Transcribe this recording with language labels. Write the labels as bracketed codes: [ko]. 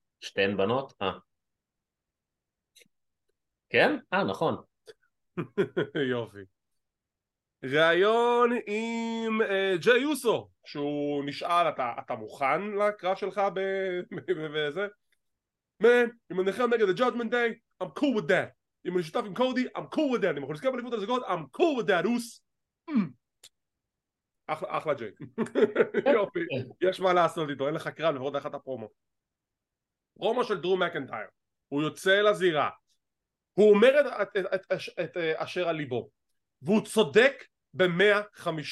[he] שתיהן בנות? כן? נכון. יופי. רעיון עם ג'יי אוסו, שהוא נשאל, אתה מוכן לקרב שלך וזה? Man, אם אני נלחם נגד ה-Judgment Day, [en] I'm cool with that. [he] אם אני שותף עם קודי, [en] I'm cool with that. [he] אם אנחנו נזכר בליפות הזוגות, I'm cool with that, אוס. אחלה ג'יי, יופי, יש מה לעשות איתו, אין לך קרב, לפחות אחת הפרומו. פרומו של דרו מקנטייר, הוא יוצא לזירה, הוא אומר את אשר על ליבו, והוא צודק ב-150%.